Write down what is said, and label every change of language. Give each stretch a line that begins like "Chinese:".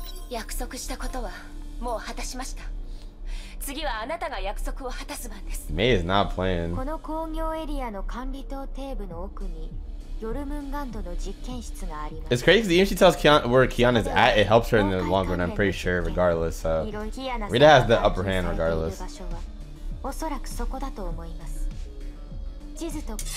Japanese: 約束したことはもう果たしました。次はあなたが約束を果たす番です。
English: Mei is not playing.
Japanese: この工業エリアの管理棟底部の奥にヨルムンガンドの実験室があります。
English: It's crazy even she tells Kiana where Kiana's at, it helps her in the long run, I'm pretty sure, regardless. So Rita has the upper hand regardless.
Japanese: おそらくそこだと思います。地図と